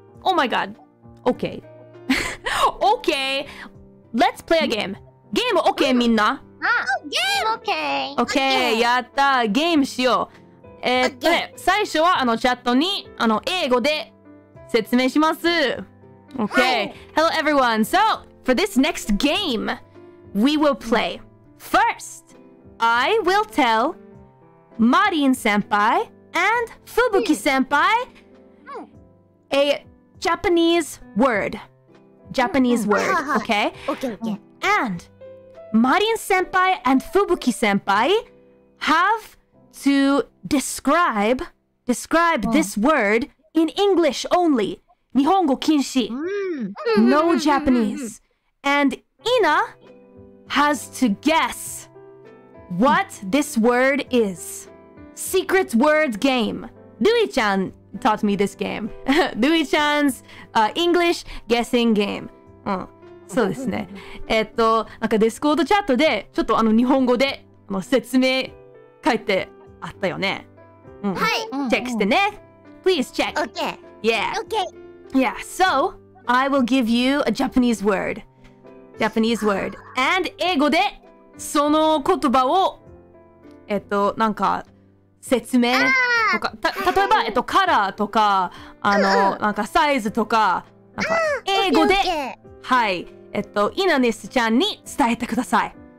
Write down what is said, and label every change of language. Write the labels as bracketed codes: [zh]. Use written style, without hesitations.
[en] Oh my god。 Okay。 Okay。 Let's play a game。 [ja] ゲーム Okay みんな。あ、ゲーム [en] Okay。 [ja] Okay やった。ゲームしよう。ね、最初はあのチャットにあの英語で説明します。 [en] Okay.、はい、Hello everyone. So, for this next game, we will play. First, I will tell Marin senpai and Fubuki senpai a Japanese word. Japanese word, okay? Okay. And Marin senpai and Fubuki senpai haveTo describe、oh. this word in English only. [ja] 日本語禁止 [en] No Japanese. And Ina has to guess what this word is. Secret word game. Dui-chan taught me this game. Dui-chan's、English guessing game.、 [ja] うん、そうですね。なんかディスコードチャットでちょっとあの日本語であの説明書いてあったよね。うん、はい。チェックしてね。 [en] Please check. Okay. Yeah. Okay. Yeah. So I will give you a Japanese word. Japanese word. [ja] And 英語でその言葉をなんか説明とか、例えばカラーとかなんかサイズとか、なんか英語で、はい。イナネスちゃんに伝えてください。